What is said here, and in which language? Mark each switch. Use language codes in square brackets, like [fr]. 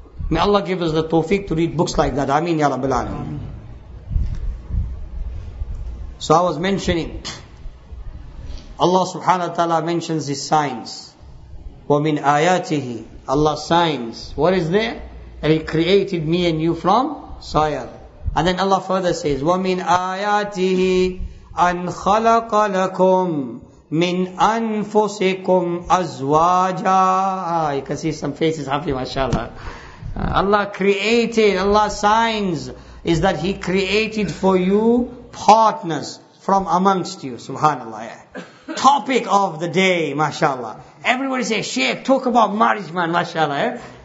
[en] May Allah give us the tawfiq to read books like that. Ameen ya Rabbil Alameen. So I was mentioning, Allah subhanahu wa ta'ala mentions his signs. [ar] وَمِنْ آيَاتِهِ. [en] Allah's signs. What is there? And He created me and you from? Sayar. And then Allah further says, [ar] وَمِنْ آيَاتِهِ أَنْ خَلَقَ لَكُمْ مِنْ أَنفُسِكُمْ أَزْوَاجًا. [en] You can see some faces happy, mashallah. Allah created, Allah signs is that He created for you partners from amongst you, subhanAllah. Yeah. Topic of the day, mashallah. Everybody say, Shaykh, talk about marriage, man, mashallah. Yeah.